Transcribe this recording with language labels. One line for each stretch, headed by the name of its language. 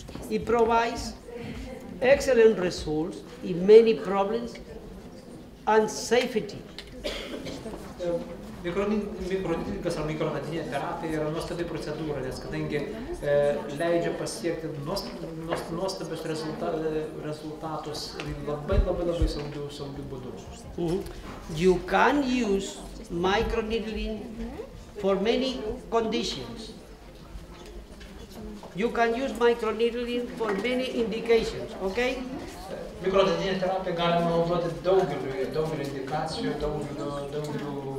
English: It provides excellent results in many problems and safety.
Lithuanian: Mikronidikas ar mikronatinė terapija yra nuostabi procedūra, nes kadangi leidžia pasiekti nuostabius rezultatus labai labai labai saugiu būdu.
English: You can use microneedling for many conditions. You can use microneedling for many indications, okay?
Lithuanian: Mikronatinė terapija galima naudoti daugelį indikacijų, daugelį